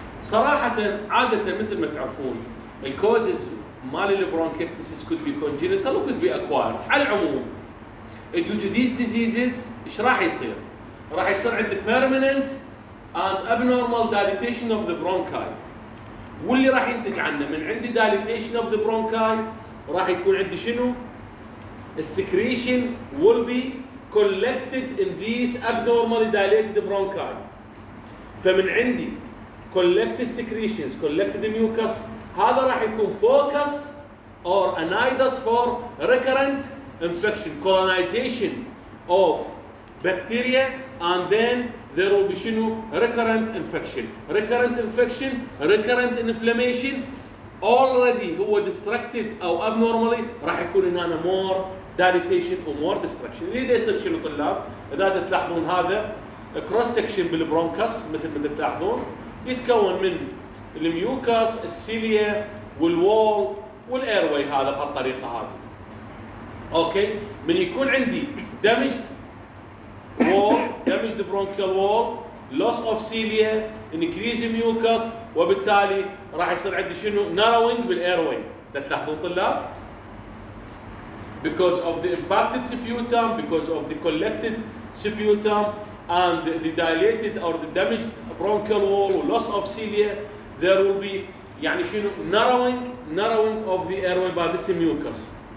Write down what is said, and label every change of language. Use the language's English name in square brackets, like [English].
[Arabic] صراحة عادة مثل ما تعرفون الكوزز مال البرونكيتس [English] could be congenital could be acquired [Arabic] على العموم [English] due to these diseases [Arabic] ايش راح يصير راح يصير عند [English] permanent and abnormal dilatation of the bronchi [Arabic] واللي راح ينتج عنه من عندي [English] dilatation of the bronchi [Arabic] راح يكون عندي شنو [English] السكريشن will be collected in these abnormally dilated bronchi. [Arabic] فمن عندي [English] collected secretions, collected mucus, [Arabic] هذا راح يكون [English] focus or anidus for recurrent infection, colonization of bacteria, and then there will be شنو recurrent infection. Recurrent infection, recurrent inflammation already هو destructed أو abnormally [Arabic] راح يكون هنا [English] more dilatation or more destruction. [Arabic] ليه يصير شنو طلاب؟ إذا تلاحظون هذا cross section بالبرونكس مثل ما تلاحظون يتكون من الميوكاس السيليا والوال والايرواي هذا بهالطريقة هذه. أوكي من يكون عندي [English] damaged wall, damaged bronchial wall, loss of cilia, increase mucus, [Arabic] وبالتالي راح يصير عندي شنو [English] narrowing بالairway. [Arabic] تلاحظوا طلاب [English] because of the impacted sputum, because of the collected sputum and the dilated or the damaged bronchial wall, loss of cilia, there will be [Arabic] يعني شنو [English] narrowing of the airway by this mucus.